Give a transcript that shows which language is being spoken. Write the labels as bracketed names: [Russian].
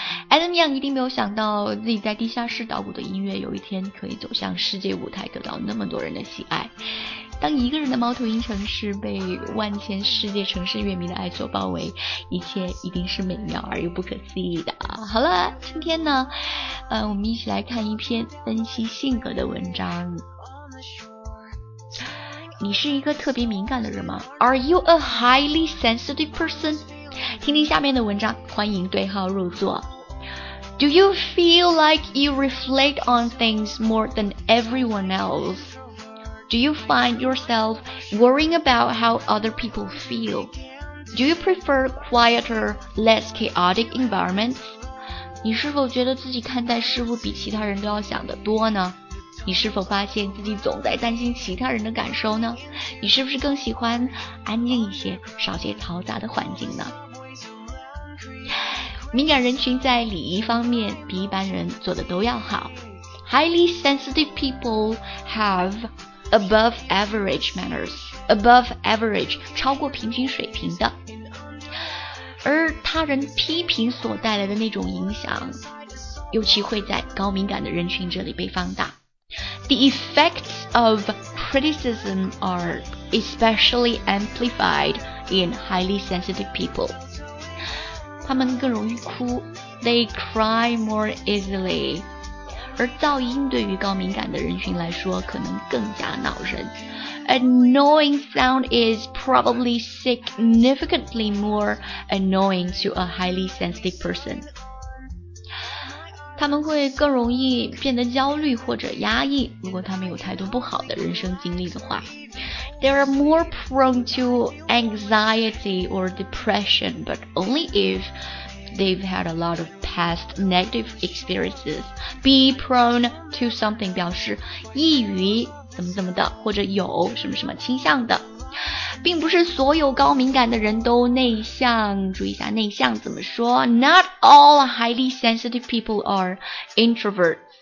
[Chinese] Adam Young 一定没有想到自己在地下室捣鼓的音乐有一天可以走向世界舞台，得到那么多人的喜爱。当一个人的猫头鹰城市被万千世界城市乐迷的爱所包围，一切一定是美妙而又不可思议的。好了，今天呢，我们一起来看一篇分析性格的文章。你是一个特别敏感的人吗？ [English] Are you a highly sensitive person? [Chinese] 听听下面的文章，欢迎对号入座。 [English] Do you feel like you reflect on things more than everyone else? Do you find yourself worrying about how other people feel? Do you prefer quieter, less chaotic environments? [Chinese] 你是否觉得自己看待事物比其他人都要想得多呢？你是否发现自己总在担心其他人的感受呢？你是不是更喜欢安静一些，少些嘈杂的环境呢？敏感人群在礼仪方面比一般人做得都要好。 [English] Highly sensitive people have above average manners, above average, [Chinese] 超过平均水平的。而他人批评所带来的那种影响，尤其会在高敏感的人群这里被放大。 [English] The effects of criticism are especially amplified in highly sensitive people. [Chinese] 他们更容易哭， [English] they cry more easily. [Chinese] 而噪音对于高敏感的人群来说可能更加恼人。 [English] Annoying sound is probably significantly more annoying to a highly sensitive person. [Chinese] 他们会更容易变得焦虑或者压抑，如果他们有太多不好的人生经历的话。 [English] They are more prone to anxiety or depression, but only if they've had a lot of past negative experiences. Be prone to something [Chinese] 表示易于怎么怎么的，或者有什么什么倾向的。并不是所有高敏感的人都内向，注意一下内向怎么说。 [English] Not all highly sensitive people are introverts.